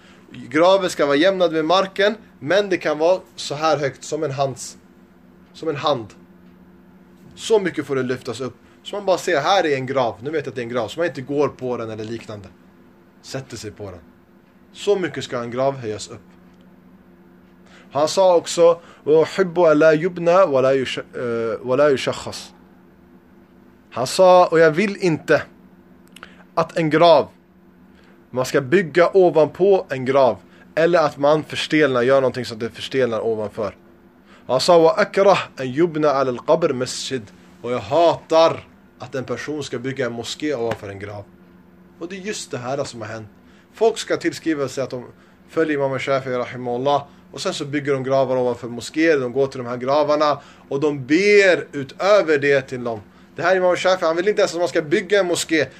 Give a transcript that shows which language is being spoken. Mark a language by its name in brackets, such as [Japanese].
[Swedish] Graven ska vara jämnad med marken, men det kan vara så här högt som en hands, som en hand. Så mycket får det lyftas upp. Så man bara ser här är en grav. Nu vet jag att det är en grav, så man inte går på den eller liknande. Sätter sig på den. Så mycket ska en grav höjas upp. Han sa också [Arabic] وَحِبُّ أَلَا يُبْنَا وَلَا يُشَخَّصْ. [Swedish] Han sa och jag vill inte att en grav, man ska bygga ovanpå en grav eller att man förstelnar, gör någonting så att det förstelnar ovanför. Han sa [Arabic] وَأَكْرَحْ أَنْ يُبْنَا عَلَى الْقَبْرْ مَسْجِدْ. [Swedish] Och jag hatar att en person ska bygga en moské ovanför en grav. Och det är just det här som har hänt. Folk ska tillskriva sig att de följer Imam Shafi rahimahullah. Och sen så bygger de gravar ovanför moskéer. De går till de här gravarna. Och de ber utöver det till dem. Det här Imam Shafi, han vill inte ens att man ska bygga en moské.